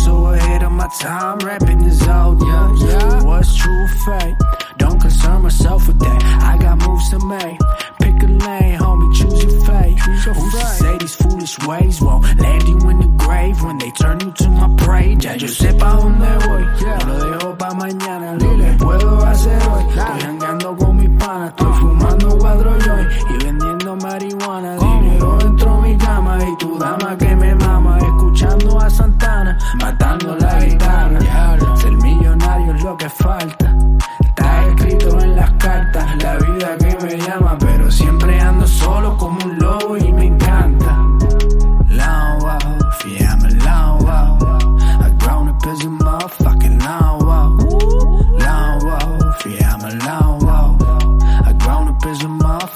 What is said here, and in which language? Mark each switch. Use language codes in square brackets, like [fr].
[en] So ahead of my time, rapping is old news. What's true or fake? Don't concern myself with that. I got moves to make. Pick a lane, homie, choose your fate. Choose your fate. Who should say these foolish ways won't land you in the grave when they turn you to my prey? [es] Ya yo sepa donde voy. Lo dejo pa' mañana. Lo que puedo hacer hoy. Estoy hangando con mi pana. Estoy fumando cuatro joints y vendiendo marihuana. Dinero dentro de mi cama y tu dama que me mama. Escuchando a Santana, matando la guitarra. Ser millonario es lo que falta. Está escrito en las cartas, la vida que me llama, pero siempre ando solo como un lobo y me encanta. [en] Lone wolf, yeah, I'm a lone wolf. I grown up as a motherfucking lone wolf. Lone wolf, yeah, I'm a lone wolf. I grown up as a motherfucking lone wolf.